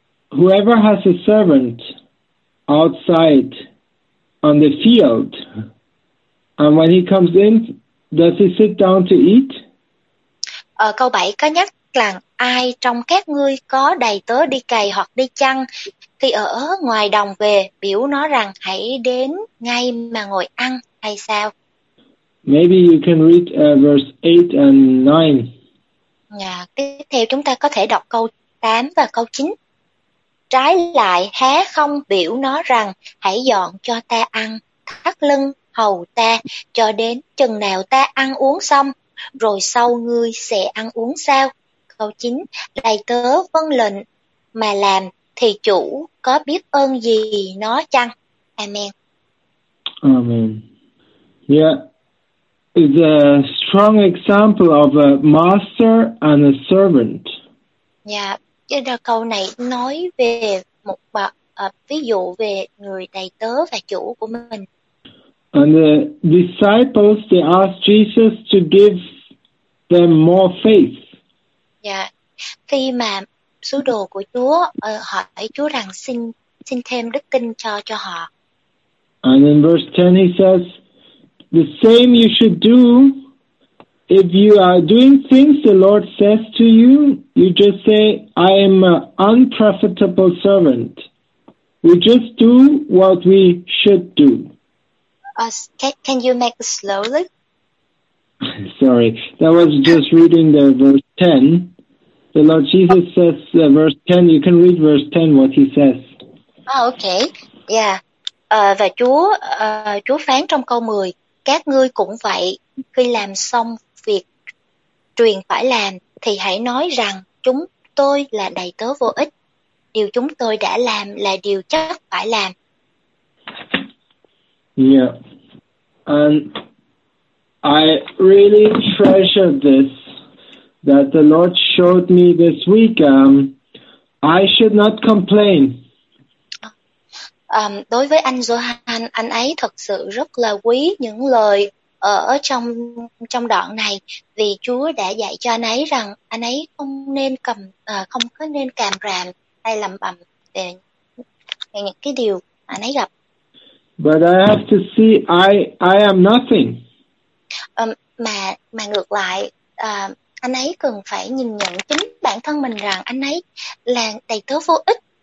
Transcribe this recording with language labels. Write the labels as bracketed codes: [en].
[en] Whoever has a servant outside on the field, and when he comes in, does he sit down to eat? [vi] Câu 7 có nhắc là ai trong các ngươi có đầy tớ đi cày hoặc đi chăn thì ở ngoài đồng về biểu nó rằng hãy đến ngay mà ngồi ăn hay sao? [en] Maybe you can read verse 8 and 9. [vi] Tiếp theo chúng ta có thể đọc câu 8 và câu 9. Trái lại há không biểu nó rằng hãy dọn cho ta ăn, thắt lưng hầu ta cho đến chừng nào ta ăn uống xong, rồi sau ngươi sẽ ăn uống sao? Câu 9, đầy tớ vâng lệnh mà làm thì chủ có biết ơn gì nó chăng? [en] Amen. Amen. Yeah. It's a strong example of a master and a servant. Yeah. [vi] Câu này nói về một ví dụ về người đầy tớ và chủ của mình. [en] And the disciples, they asked Jesus to give them more faith. Yeah. [vi] Khi mà sứ đồ của Chúa hỏi Chúa rằng xin thêm đức tin cho họ. [en] And in verse 10 he says, the same you should do if you are doing things the Lord says to you. You just say, I am an unprofitable servant. We just do what we should do. Can you make it slowly? Sorry, that was just reading the verse 10. The Lord Jesus says verse 10. You can read verse 10 what he says. Okay, yeah. [vi] Và Chúa phán trong câu 10, các ngươi cũng vậy, khi làm xong việc truyền phải làm, thì hãy nói rằng chúng tôi là đầy tớ vô ích. Điều chúng tôi đã làm là điều chắc phải làm. [en] Yeah, and I really treasured this, that the Lord showed me this week, I should not complain. [vi] Đối với anh Johan, anh ấy thật sự rất là quý những lời ở trong đoạn này, vì Chúa đã dạy cho anh ấy rằng anh ấy không có nên càm ràm hay lẩm bẩm về những cái điều anh ấy gặp. [en] But I have to see I am nothing. [vi] Mà ngược lại, anh ấy cần phải nhìn nhận chính bản thân mình rằng anh ấy là đầy tớ vô ích.